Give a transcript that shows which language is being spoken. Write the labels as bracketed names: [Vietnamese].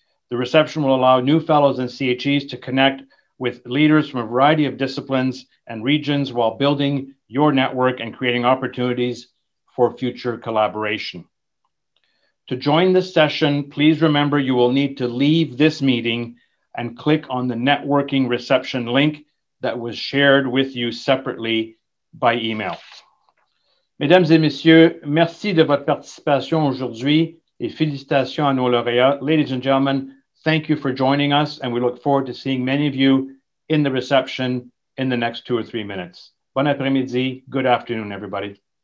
[English] The reception will allow new fellows and CHEs to connect with leaders from a variety of disciplines and regions while building your network and creating opportunities for future collaboration. To join this session, please remember you will need to leave this meeting and click on the networking reception link that was shared with you separately by email. [French] Mesdames et messieurs, merci de votre participation aujourd'hui et félicitations à nos lauréats. [English] Ladies and gentlemen, thank you for joining us, and we look forward to seeing many of you in the reception in the next 2 or 3 minutes. [French] Bon après-midi, [English] good afternoon, everybody.